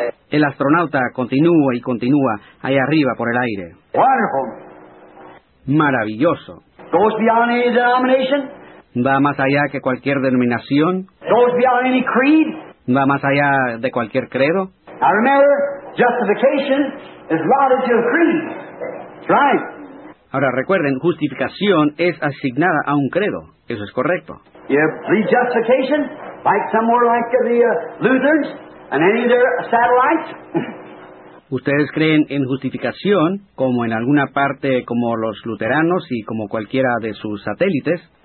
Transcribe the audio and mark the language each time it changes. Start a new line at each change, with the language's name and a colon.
Spanish: El astronauta continúa y continúa allá arriba por el aire. Maravilloso.
English: Goes beyond any denomination.
Spanish: Va más allá que cualquier denominación.
English: Goes beyond any creed.
Spanish: Va más allá de cualquier credo.
English: Now remember, justification is allotted to a creed. Right.
Spanish: Ahora recuerden, justificación es asignada a un credo. Eso es correcto.
English: You read justification like somewhere like the Lutherans and any of their satellites.
Spanish: ¿Ustedes creen en justificación como en alguna parte como los luteranos y como cualquiera de sus satélites?